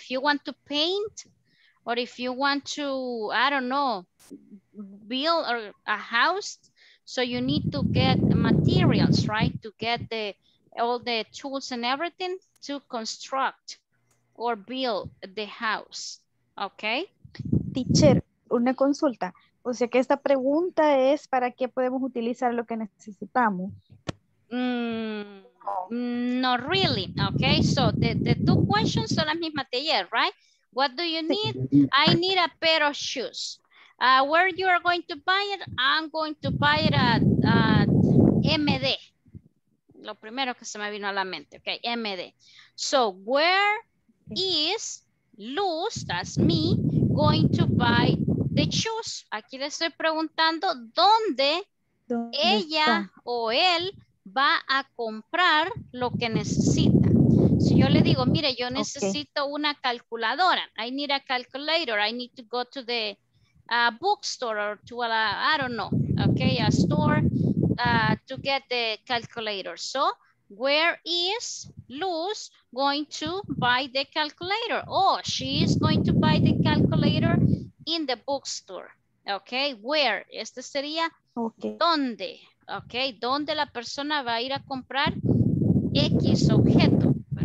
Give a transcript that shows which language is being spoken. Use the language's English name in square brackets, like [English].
[English] If you want to paint, or if you want to, I don't know, build or a house, so you need to get the materials, right, to get the all the tools and everything to construct or build the house, okay? [Spanish] Teacher, una consulta. O sea que esta pregunta es para qué podemos utilizar lo que necesitamos. [English] Not really, okay? So the two questions son las mismas de ayer, right? What do you need? I need a pair of shoes. Where you are going to buy it? I'm going to buy it at MD. [Spanish] Lo primero que se me vino a la mente, okay, MD. [English] So where is Luz, that's me, going to buy the shoes? [Spanish] Aquí le estoy preguntando dónde, ¿dónde ella está? O él va a comprar lo que necesita. Si yo le digo, mire, yo necesito okay. una calculadora. [English] I need a calculator. I need to go to the bookstore or to, I don't know, okay, a store to get the calculator. So where is Luz going to buy the calculator? Oh, she is going to buy the calculator in the bookstore. Okay, where? [Spanish] Este sería okay. ¿dónde? Okay, ¿dónde la persona va a ir a comprar X objeto?